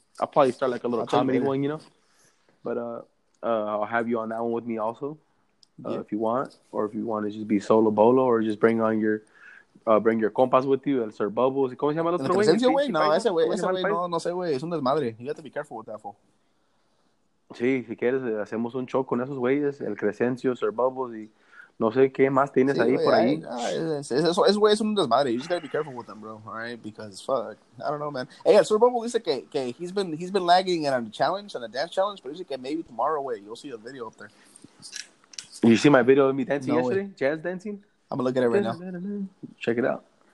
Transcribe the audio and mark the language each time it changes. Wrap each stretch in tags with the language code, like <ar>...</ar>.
<en>I'll probably start like a little comedy one, you know. But I'll have you on that one with me also, yeah. If you want, or if you want to just be</en> <es>solo bolo,</es> <en>or just bring on your bring your compas with you, El Sir Bubbles.</en> <es>¿Cómo se llama el otro güey? No, ese güey, no sé, güey, es un desmadre.</es> <en>You got to be careful with that, fool.</en> <es>Sí, si quieres, hacemos un show con esos güeyes, El Crescencio, Sir Bubbles, y no sé qué más tienes sí, ahí wey, por ahí. Ese güey es un desmadre.</es> <en>You just gotta be careful with them, bro, all right? Because, fuck, I don't know, man. Hey, El Sir Bubbles</en> <es>dice que</es> <en>he's been lagging in a challenge, in a dance challenge,</en> <es>pero dice que</es> <en>maybe tomorrow, güey, you'll see a video up there. You see my video of me dancing yesterday? Way. Jazz dancing? I'm going to look at it right now. Check it out.</en>